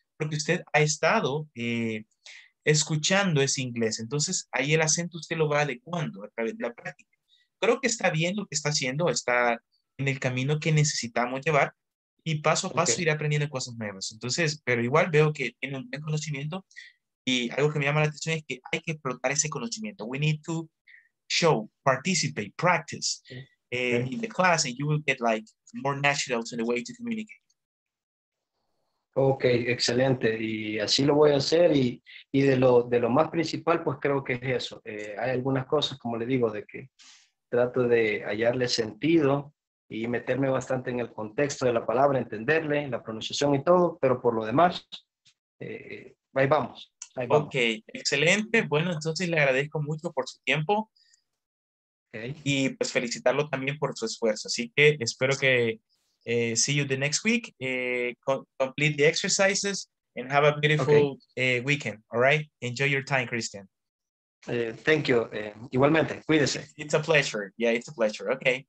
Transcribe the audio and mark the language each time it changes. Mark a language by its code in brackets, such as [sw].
[es] Porque usted ha estado escuchando ese inglés, entonces ahí el acento usted lo va adecuando a través de la práctica. Creo que está bien lo que está haciendo, está en el camino que necesitamos llevar y paso a paso okay. Ir aprendiendo cosas nuevas. Entonces, pero igual veo que tiene un buen conocimiento y algo que me llama la atención es que hay que explotar ese conocimiento. [en] We need to show, participate, practice okay. In the class and you will get like more natural in the way to communicate. [es] Ok, excelente. Y así lo voy a hacer y de lo más principal, pues creo que es eso. Hay algunas cosas, como le digo, de que trato de hallarle sentido y meterme bastante en el contexto de la palabra, entenderle, la pronunciación y todo, pero por lo demás, ahí vamos. Ahí ok, vamos. Excelente. Bueno, entonces le agradezco mucho por su tiempo okay. Y pues felicitarlo también por su esfuerzo. Así que espero que [en] see you the next week, complete the exercises and have a beautiful okay. Weekend, all right? Enjoy your time, Christian. Thank you. [es] Igualmente, cuídese. [en] It's a pleasure. Yeah, it's a pleasure. Okay.